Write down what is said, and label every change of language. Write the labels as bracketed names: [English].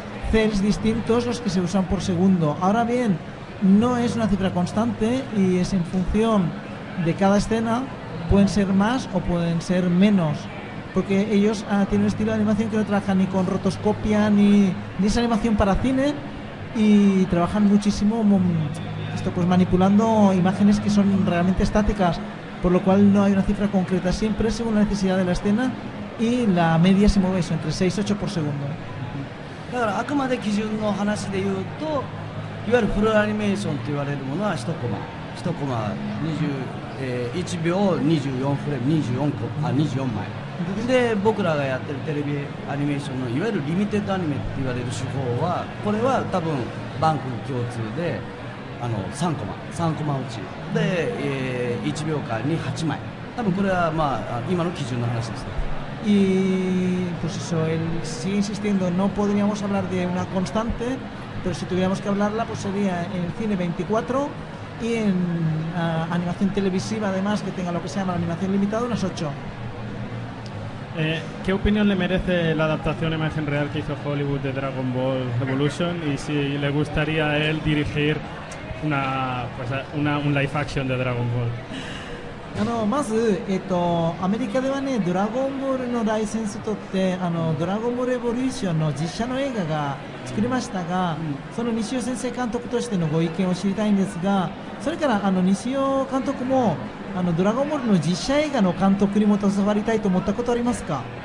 [Spanish] cells distintos los que se usan por segundo. Ahora bien, no es una cifra constante y es en función de cada escena, pueden ser más o pueden ser menos, porque ellos tienen un estilo de animación que no trabaja ni con rotoscopia ni esa animación para cine, y trabajan muchísimo manipulando imágenes que son realmente estáticas, por lo cual no hay una cifra concreta, siempre según la necesidad de la escena, y la media se mueve eso, entre 6-8 por segundo. [Japanese] だからあくまで基準の話で言うと、いわゆるフルアニメーションと言われるものは1コマ1コマ1秒24フレーム 24枚で、僕らがやってるテレビアニメーションのいわゆるリミテッドアニメと言われる手法は、これは多分バンク共通で3コマ3コマ打ちで、1秒間に8枚、多分これは、まあ、今の基準の話ですね。 [Spanish] Y pues eso, él sigue insistiendo, no podríamos hablar de una constante, pero si tuviéramos que hablarla, pues sería en el cine 24 y en animación televisiva, además, que tenga lo que se llama animación limitada, unas 8. ¿Qué opinión le merece la adaptación imagen real que hizo Hollywood de Dragon Ball Evolution? Y si le gustaría a él dirigir una, pues, una, un live action de Dragon Ball. No, más, [Japanese] アメリカではね、ドラゴンボールのライセンスを取って、ドラゴンボールエボリューションの実写の映画が作りましたが、その西尾先生監督としてのご意見を知りたいんですが、それから西尾監督もドラゴンボールの実写映画の監督にも携わりたいと思ったことありますか？